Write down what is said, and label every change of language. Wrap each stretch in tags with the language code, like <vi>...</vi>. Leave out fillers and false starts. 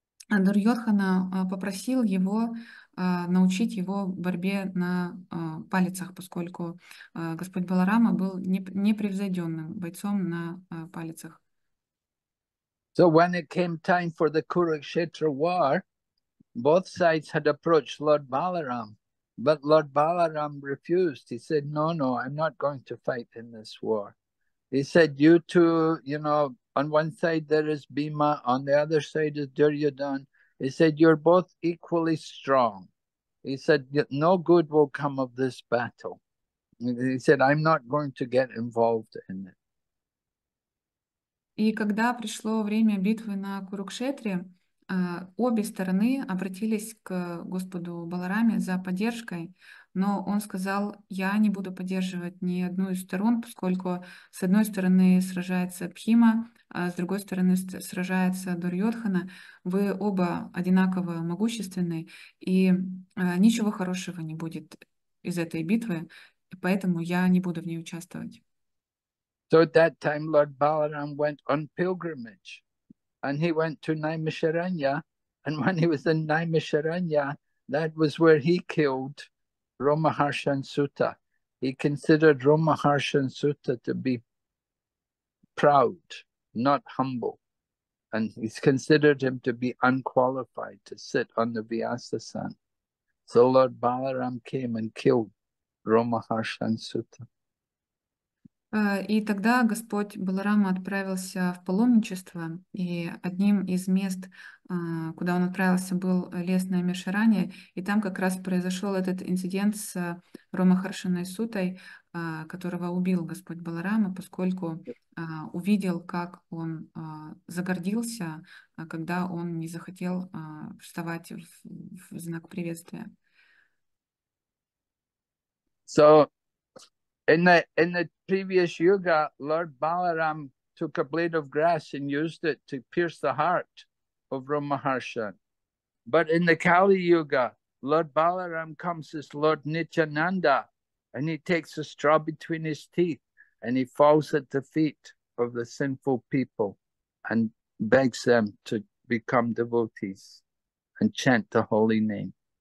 <ru>Дурьотхана попросил его научить его борьбе на палицах, поскольку Господь Баларама был непревзойденным бойцом на палицах.</ru> <en>So when it came time for the Kurukshetra war, both sides had approached Lord Balaram, but Lord Balaram refused. He said, no, no, I'm not going to fight in this war. He said, you two, you know, on one side there is Bhima, on the other side is Duryodhan. He said, you're both equally strong. He said, no good will come of this battle. He said, I'm not going to get involved in it.</en> <ru>И когда пришло время битвы на Курукшетре, обе стороны обратились к Господу Балараме за поддержкой, но он сказал, я не буду поддерживать ни одну из сторон, поскольку с одной стороны сражается Бхима, а с другой стороны сражается Дурьотхана. Вы оба одинаково могущественны, и ничего хорошего не будет из этой битвы, и поэтому я не буду в ней участвовать.</ru> <en>So at that time, Lord Balaram went on pilgrimage and he went to Naimisharanya. And when he was in Naimisharanya, That was where he killed Romaharshan Sutta. He considered Romaharshan Sutta to be proud, not humble. And he's considered him to be unqualified to sit on the Vyasasan. So Lord Balaram came and killed Romaharshan Sutta.</en> <ru>И тогда Господь Баларама отправился в паломничество, и одним из мест, куда он отправился, был лес Наймишарани, и там как раз произошел этот инцидент с Ромахаршиной Сутой, которого убил Господь Баларама, поскольку увидел, как он загордился, когда он не захотел вставать в знак приветствия.</ru> <en>So, in the previous yuga, Lord Balaram took a blade of grass and used it to pierce the heart of Ramaharshan. But in the Kali Yuga, Lord Balaram comes as Lord Nityananda, and he takes a straw between his teeth, and he falls at the feet of the sinful people and begs them to become devotees and chant the holy name.</en>